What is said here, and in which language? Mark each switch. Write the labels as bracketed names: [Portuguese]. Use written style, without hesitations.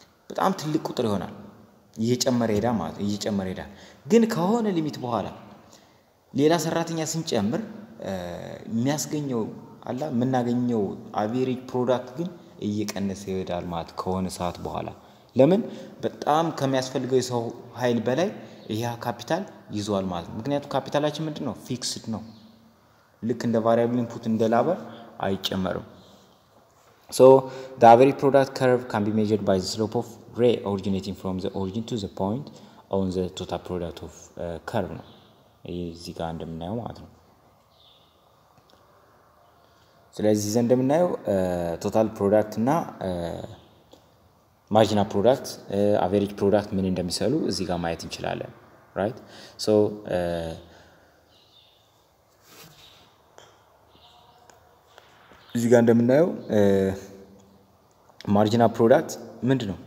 [Amharic] በጣም ትልቅ ቁጥር ይሆናል። እየጨመረ ሄዳ ማለት እየጨመረ ሄዳ ግን ከሆነ ሊሚት በኋላ ሌላ ሰራተኛ ሲጨምር የሚያስገኘው አላ ምናገኘው አቨሬጅ ፕሮዳክት ግን እየቀነሰ ይሄዳል ማለት ከሆነ ሰዓት በኋላ። ለምን? በጣም ከሚያስፈልገው የሰው ኃይል በላይ ያ ካፒታል ይዟል ማለት። ምክንያቱም ካፒታላችን ምንድነው? ፊክስድ ነው። ልክ እንደ ቫሪያብል ኢንፑት እንደ ላበር አይጨመርም። [English] So the average product curve can be measured by the slope of ray originating from the origin to the point on the total product of curve. [Amharic] እዚህ ጋር እንደምናየው ማለት ነው። ስለዚህ ዘን እንደምናየው total product እና marginal product average product ምን እንደሚሰሉ እዚህ ጋር ማየት እንችላለን። Right? So እዚህ ጋር እንደምናየው ማርጂናል ፕሮዳክት ምንድነው?